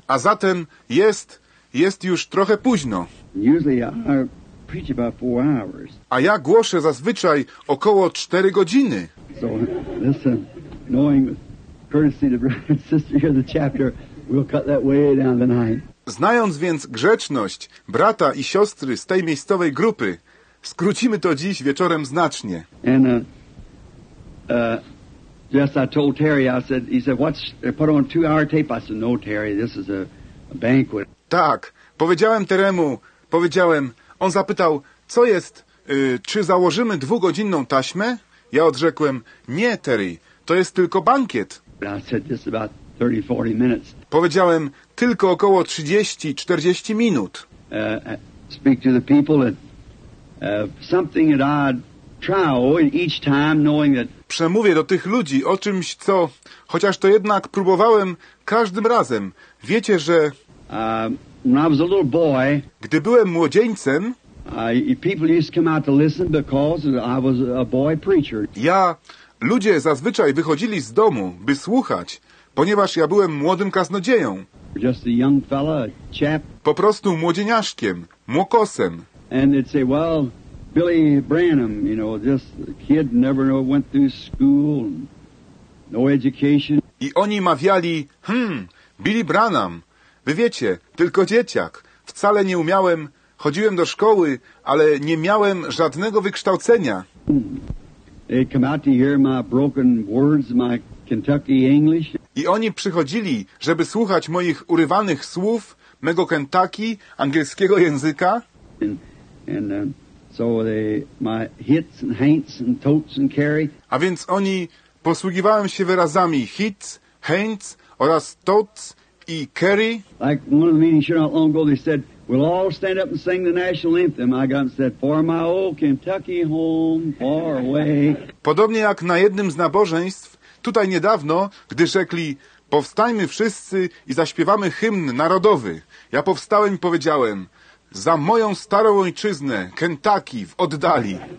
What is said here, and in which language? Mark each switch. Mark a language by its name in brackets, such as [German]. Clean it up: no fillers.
[Polish] A zatem jest już trochę późno. [English] Usually I preach about 4 hours. [Polish] A ja głoszę zazwyczaj około 4 godziny. [English] So listen, knowing courtesy to brother and sister here the chapter, we'll cut that way down the night. [Polish] Znając więc grzeczność brata i siostry z tej miejscowej grupy, skrócimy to dziś wieczorem znacznie. [English] And, yes, I told Terry, I said, he said, what's, put on 2-hour tape. I said, no, Terry, this is a banquet. [Polish] Tak, powiedziałem Teremu, powiedziałem, on zapytał, co jest, czy założymy 2-godzinną taśmę? Ja odrzekłem, nie, Terry, to jest tylko bankiet. [English] I said, this is about 30-40 minutes. [Polish] Powiedziałem, tylko około 30-40 minut. [English] Speak to the people and something that I try each time, knowing that. [Polish] Przemówię do tych ludzi o czymś, co, chociaż to jednak próbowałem każdym razem. Wiecie, że [English] when I was a little boy, [Polish] gdy byłem młodzieńcem, [English] people used to come out to listen because I was a boy preacher. [Polish] Ja, ludzie zazwyczaj wychodzili z domu, by słuchać, ponieważ ja byłem młodym kaznodzieją. [English] Just a young fella, a chap. [Polish] Po prostu młodzieniaszkiem, młokosem. [English] And they'd say, well, Billy Branham, you know, this kid never went through school, no education. [Polish] I oni mawiali, Billy Branham, wy wiecie, tylko dzieciak, wcale nie umiałem, chodziłem do szkoły, ale nie miałem żadnego wykształcenia. [English] They come out to hear my broken words, my Kentucky English. [Polish] I oni przychodzili, żeby słuchać moich urywanych słów, mego Kentucky, angielskiego języka. [English] So they, my hits and haints and totes and carry. [Polish] A więc oni, posługiwałem się wyrazami hits, haints oraz totes i carry. [English] Like one of the meetings here not long ago, they said, we'll all stand up and sing the national anthem. I got and said, for my old Kentucky home, far away. [Polish] Podobnie jak na jednym z nabożeństw, tutaj niedawno, gdy rzekli, powstajmy wszyscy i zaśpiewamy hymn narodowy. Ja powstałem i powiedziałem, za moją starą ojczyznę, Kentucky, w oddali.